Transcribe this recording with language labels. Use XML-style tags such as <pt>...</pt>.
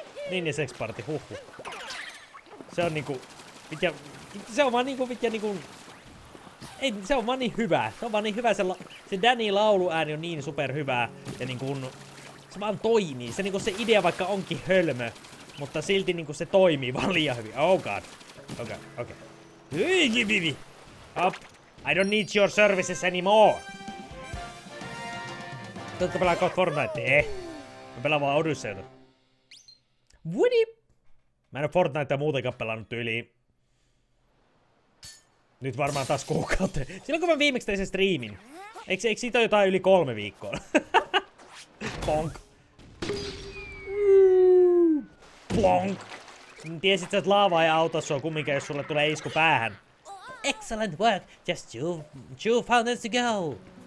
<fi>Niin ja sex party, huhhuh. Se on niinku, mikä, se on vaan niinku, mikä niinku... Ei, se on vaan niin hyvä. Se on vaan niin hyvä, se Danny lauluääni on niin super hyvää. Ja niinku, se vaan toimii. Se niinku se idea vaikka onkin hölmö, mutta silti niinku se toimii vaan liian hyvin. Oh god. Okei. Hyiki bibi! Up!</fi> <en>I don't need your services anymore!</en> <fi>Tätä pelaa kohta Fortnite. Mä pelaan vaan Odysseyta. Woody! Mä en oo Fortnitea muutenkaan pelannut yli. Nyt varmaan taas kuukautta. Silloin kun mä viimeksi tein sen striimin. Eikö siitä ole jotain yli 3 viikkoa? Plonk. Plonk. Tiesit sä, että laava ei auta sua kumminkään, jos sulle tulee isku päähän.</fi> <en>Excellent work. Just two fountains to go.</en>